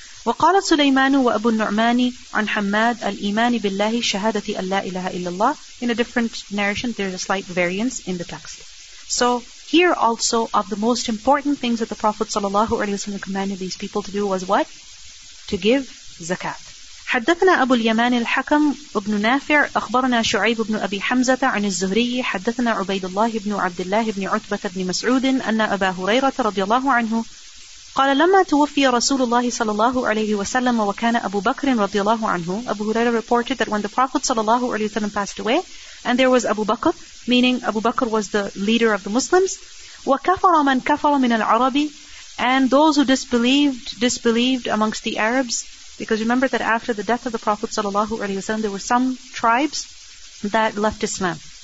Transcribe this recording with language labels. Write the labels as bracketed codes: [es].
[ar] وَقَالَ سُلَيْمَانُ وَأَبُ النُّعْمَانِ عَنْ حَمَّادِ الْإِيمَانِ بِاللَّهِ شَهَادَةِ أَنْ لَا إِلَهَ إِلَّا اللَّهِ [en] In a different narration, there is a slight variance in the text. So here also, of the most important things that the Prophet ﷺ commanded these people to do was what? To give zakat. [ar] حدثنا أبو اليمان الحكم ابن نافع أخبرنا شعيب بن أبي حمزة عن الزهري حدثنا عبيد الله بن عبد الله بن عتبة بن مسعود أن أبا هريرة رضي الله عنه قال لما توفي رسول الله صلى الله عليه وسلم وكان أبو بكر رضي الله عنه. [en] Abu Huraira reported that when the Prophet صلى الله عليه وسلم passed away, and there was Abu Bakr, meaning Abu Bakr was the leader of the Muslims, [ar] وكفر من كفر من العرب, [en] and those who disbelieved amongst the Arabs. Because remember that after the death of the Prophet sallallahu alaihi wasallam, there were some tribes that left Islam.